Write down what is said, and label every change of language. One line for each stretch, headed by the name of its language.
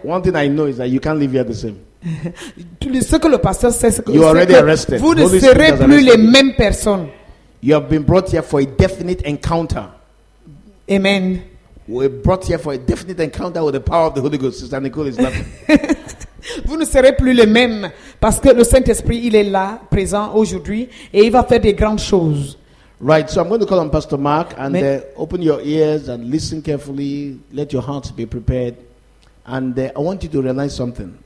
English: One thing I know is that you can't live here the same.
French: Ce que le pasteur sait, c'est que vous ne serez plus les mêmes personnes.
English: You have been brought here for a definite encounter. Amen. We're brought here for a definite encounter with the power of the Holy Ghost. Sister Nicole is laughing.
French: Vous ne serez plus les mêmes parce que le Saint-Esprit, il est là, présent aujourd'hui, et il va faire des grandes choses.
English: Right, so I'm going to call on Pastor Mark and open your ears and listen carefully. Let your hearts be prepared. And I want you to realize something.